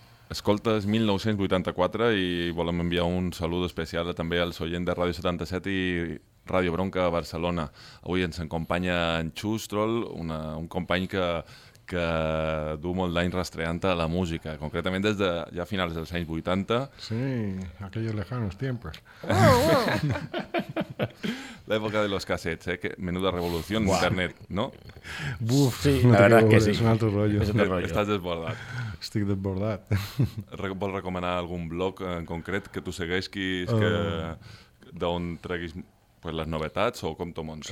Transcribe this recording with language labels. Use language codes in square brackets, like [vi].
[ca] Escoltes 1984 i volem enviar un salut especial també als oients de Ràdio 77 i Ràdio Bronca a Barcelona. Avui ens acompanya en Xus Troll, un company que du molt d'any rastreant la música, concretament des de ja finals dels anys 80. [es] Sí, aquellos lejanos tiempos. [ca] L'època de los cassettes, que menuda revolució en internet, no? Buf, [es] sí, no, la verdad que sí. [ca] És un altre rotllo. Estàs desbordat. Estic desbordat. Vols recomanar algun blog en concret que tu segueixis d'on treguis pues, les novetats o com t'ho montes?